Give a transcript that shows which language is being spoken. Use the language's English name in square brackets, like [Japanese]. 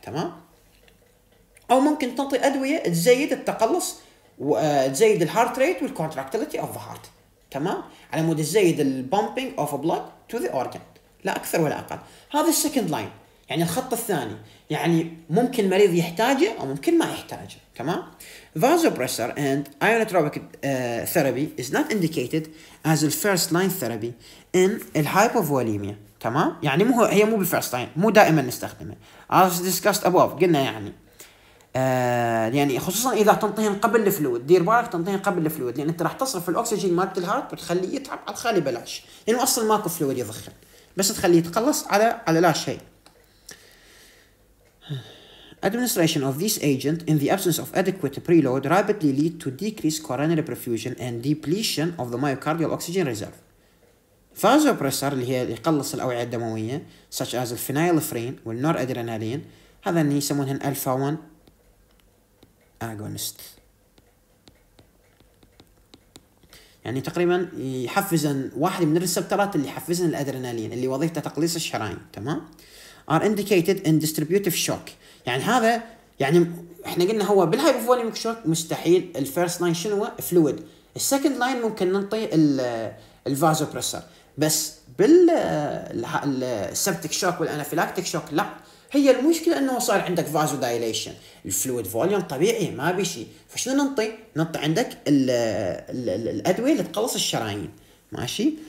[Arabic] تمام، أو ممكن تنطي أدوية تزيد التقلص وتزيد [English] الهارت ريت والكونتراكتيليتي أوف ذا هارت. [Arabic] تمام، على مود تزيد [English] البومبينج of blood to the organ, [Arabic] لا اكثر ولا اقل. هذا السكند لاين يعني الخط الثاني، يعني ممكن المريض يحتاجه او ممكن ما يحتاجه. تمام. [English] Vasopressor and ionotropic therapy is not indicated as the first line therapy in hypovolemia. [Arabic] تمام. يعني مو هي مو بالفيرست لاين، مو دائما نستخدمه. [English] As discussed above [Arabic] قلنا يعني يعني خصوصا اذا تنطين قبل الفلويد، دير بالك تنطين قبل الفلويد، لان انت راح تصرف الاكسجين مالت الهارت وتخليه يتعب على الخالي بلاش، لانه اصلا ماكو فلويد يضخم، بس تخليه يتقلص على على لا شيء. [English] Administration of this agent in the absence of adequate preload rapidly lead to decreased coronary perfusion and depletion of the myocardial oxygen reserve. [Arabic] Vasopressor اللي هي يقلص الاوعيه الدمويه [English] such as the phenylephrine [Arabic] والنورادرينالين، هذا اللي يسمونها الفا 1 agonist، يعني تقريبا يحفزن واحد من الريسبترات اللي يحفزن الادرينالين اللي وظيفته تقليص الشرايين. تمام. [English] Are indicated in distributive shock. [Arabic] يعني هذا يعني احنا قلنا هو بالهايبوفوليميك شوك مستحيل الفيرست لاين شنو فلويد، السكند لاين ممكن ننطي الفازوبريسر، بس بالسبتك شوك والانافيلاكتيك شوك لا. هي المشكله انه صار عندك فازو دايليشن، الفلويد فوليوم طبيعي ما بي شيء، فشنو ننطي؟ ننطي عندك الادويه اللي تقلص الشرايين. ماشي.